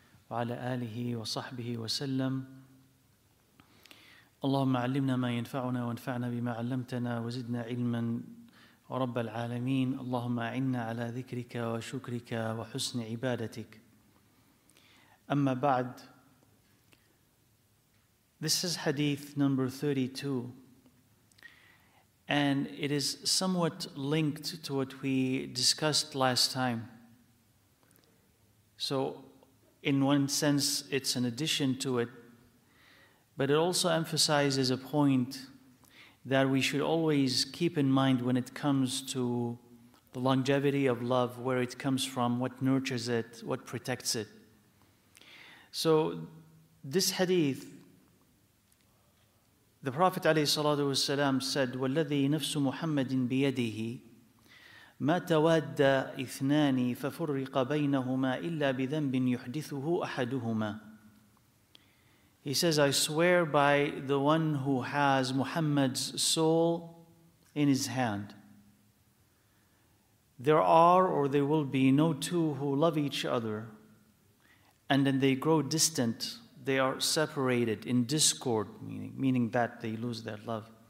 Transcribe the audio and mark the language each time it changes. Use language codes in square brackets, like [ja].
[ar] وعلى آله وصحبه وسلم اللهم علمنا ما ينفعنا وانفعنا بما علمتنا وزدنا علما ورب العالمين اللهم أعنا على ذكرك وشكرك وحسن عبادتك أما بعد. [en] This is hadith number 32 and it is somewhat linked to what we discussed last time, so in one sense, it's an addition to it, but it also emphasizes a point that we should always keep in mind when it comes to the longevity of love, where it comes from, what nurtures it, what protects it. So this hadith, the Prophet ﷺ said, [ar] وَالَّذِي نَفْسُ مُحَمَّدٍ بِيَدِهِ ما تواد اثنان ففرق بينهما الا بذنب يحدثه احدهما. [en] He says, I swear by the one who has Muhammad's soul in his hand, there are or there will be no two who love each other, and then they grow distant, they are separated in discord, meaning that they lose their love.